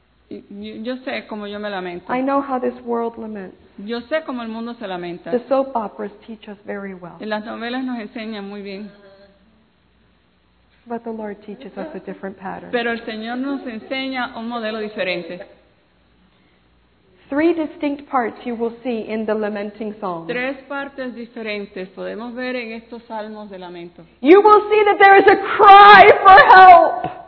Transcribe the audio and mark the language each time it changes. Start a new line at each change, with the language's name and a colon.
Spanish: Yo sé cómo yo me lamento.
English: I know how this world laments.
Spanish: Yo sé cómo el mundo se lamenta.
English: The soap operas teach us very well.
Spanish: Las novelas nos enseñan muy bien.
English: But the Lord teaches us a different pattern.
Spanish: Pero el Señor nos enseña un modelo diferente.
English: Three distinct parts you will see in the lamenting psalm.
Spanish: Tres partes diferentes podemos ver en estos salmos de lamento.
English: You will see that there is a cry for help.